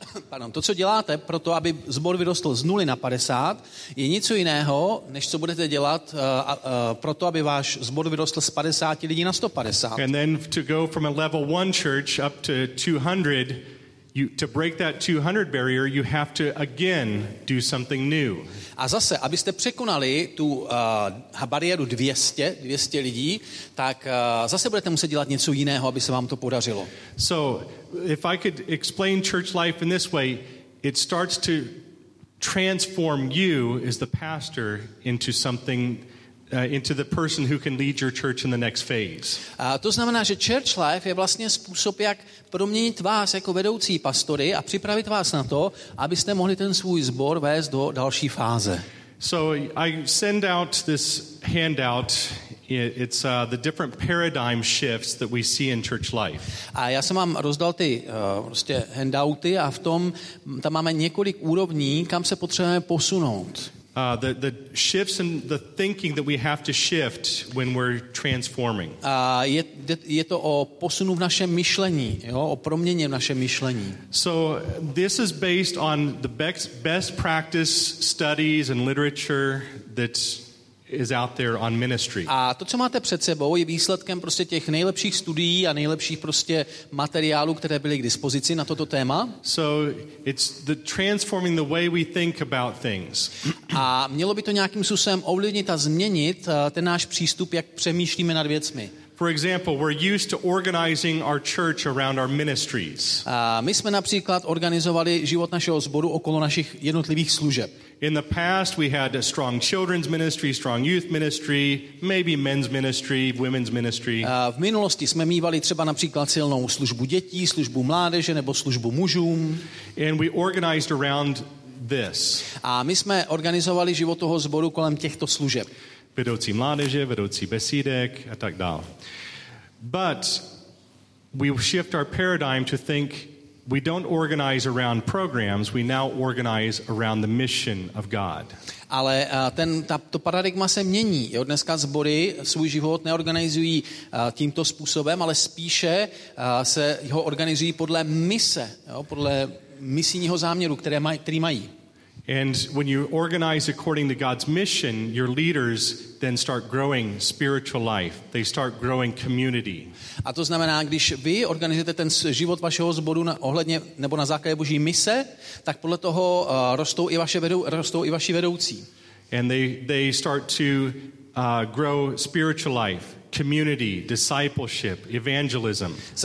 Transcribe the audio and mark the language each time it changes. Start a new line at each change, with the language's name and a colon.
Czech: Pardon, to, co děláte pro to, aby sbor vyrostl z 0 na 50, je něco jiného, než co budete dělat pro to, aby váš sbor vyrostl z 50 lidí na 150.
English: And then to go from a level 1 church up to 200, to break that 200 barrier, you have to again do something new.
Czech: A zase, abyste překonali tu bariéru 200 lidí, tak zase budete muset dělat něco jiného, aby se vám to podařilo.
English: So, if I could explain church life in this way, it starts to transform you as the pastor into something into the person who can lead your church in the next phase.
Czech: A to znamená, že church life je vlastně způsob, jak proměnit vás jako vedoucí pastory a připravit vás na to, abyste mohli ten svůj sbor vést do další fáze.
English: So I send out this handout. It's the different paradigm shifts that we see in church life.
Czech: A já jsem vám rozdal ty prostě handouty a v tom tam máme několik úrovní, kam se potřebujeme posunout.
English: The shifts in the thinking that we have to shift when we're transforming.
Czech: Je to o posunu v našem myšlení, jo, o proměně v našem myšlení.
English: So this is based on the best practice studies and literature that's is out there on ministry.
Czech: A to, co máte před sebou, je výsledkem prostě těch nejlepších studií a nejlepších prostě materiálů, které byly k dispozici na toto téma.
English: So it's the transforming the way we think about things.
Czech: A mělo by to nějakým způsobem ovlivnit a změnit ten náš přístup, jak přemýšlíme nad věcmi.
English: For example, we're used to organizing our church around our ministries.
Czech: My jsme například organizovali život našeho sboru okolo našich jednotlivých služeb.
English: In the past, we had a strong children's ministry, strong youth ministry, maybe men's ministry, women's ministry.
Czech: V minulosti jsme mívali třeba například silnou službu dětí, službu mládeže nebo službu mužům.
English: And we organized around this.
Czech: A my jsme organizovali život toho sboru kolem těchto služeb. Vedoucí mládeže, vedoucí besídek a tak dál.
English: But we shift our paradigm to think we don't organize around programs, we now organize around the mission of God.
Czech: Ale to paradigma se mění. Jo? Dneska sbory svůj život neorganizují tímto způsobem, ale spíše se ho organizují podle mise, jo? Podle misijního záměru, který mají.
English: And when you organize according to God's mission, your leaders then start growing spiritual life. They start growing community.
Czech: A to znamená, když vy organizujete ten život vašeho sboru ohledně nebo na základě Boží mise, tak podle toho rostou i vaši vedoucí.
English: And they start to grow spiritual life. Community, discipleship, evangelism.